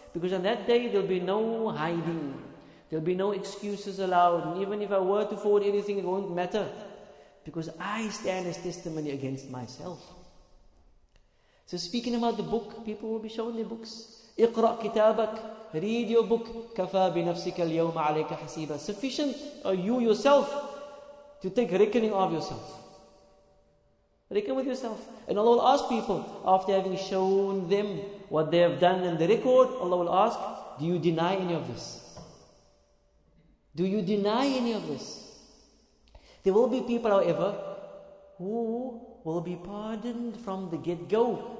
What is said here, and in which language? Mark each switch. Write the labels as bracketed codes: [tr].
[en] Because on that day there will be no hiding. There will be no excuses allowed. And even if I were to forward anything, it won't matter. Because I stand as testimony against myself. So speaking about the book, people will be shown their books. [ar] اقرأ كتابك. [en] Read your book. [ar] كفى بنفسك اليوم عليك حسيبا. [en] Sufficient are you yourself to take reckoning of yourself. Reckon with yourself. And Allah will ask people, after having shown them what they have done in the record, Allah will ask, do you deny any of this? Do you deny any of this? There will be people, however, who will be pardoned from the get-go.